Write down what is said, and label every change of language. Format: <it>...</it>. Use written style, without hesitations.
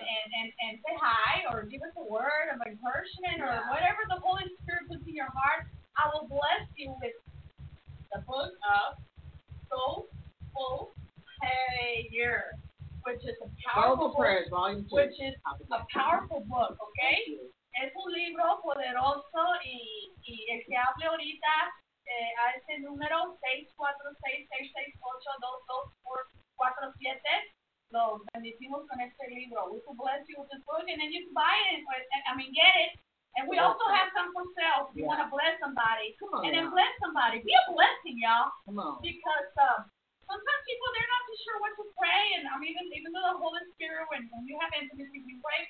<en>And say hi or give us a word of encouragement or whatever the Holy Spirit puts in your heart, I will bless you with the book of Soulful Prayer, which is a powerful prayers, volume two. Which is a powerful book, okay?</en> <es>Es un libro poderoso y el que hable ahorita a ese número 646-668-2247. Lo bendicimos con este libro.</es> <en>We will bless you with this book, and then you can buy it. Get it. And we also have some for sale. If you want to bless somebody, come on, and then bless somebody. Be a blessing, y'all. Come on. Because sometimes people, they're not too sure what to pray. And I mean, even though the Holy Spirit, when you have intimacy, you pray.</en>